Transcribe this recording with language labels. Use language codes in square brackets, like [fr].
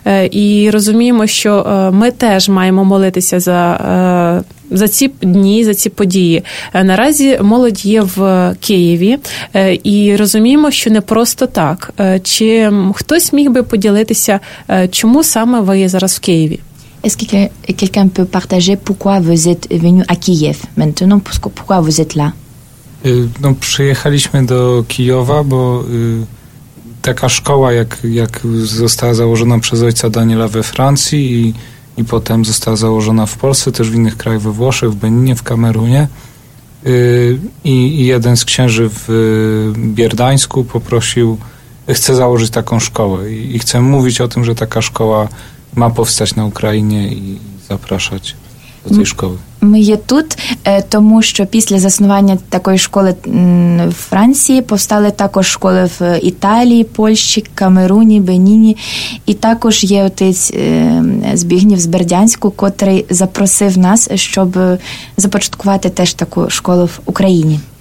[uk] І розуміємо, що ми теж маємо молитися за ці дні, за ці події. Наразі молодь є в Києві, і розуміємо, що не просто так. Чи хтось міг би поділитися, чому саме ви є зараз в Києві? [fr] Est-ce que quelqu'un peut partager pourquoi vous êtes venu à Kiev maintenant? Pourquoi vous êtes là? [pl] No, przyjechaliśmy do Kijowa, bo taka szkoła, jak została założona przez ojca Daniela we Francji i potem została założona w Polsce, też w innych krajach, we Włoszech, w Beninie, w Kamerunie. I jeden z księży w Bierdańsku poprosił, chce założyć taką szkołę. I chce mówić o tym, że taka szkoła ma powstać na Ukrainie i zapraszać do tej szkoły. [uk] Ми є тут, тому що після заснування такої школи в Франції повстали також школи в Італії, Польщі, Камеруні, Беніні. І також є отець Збігнів з Бердянську, котрий запросив нас, щоб започаткувати теж таку школу в Україні.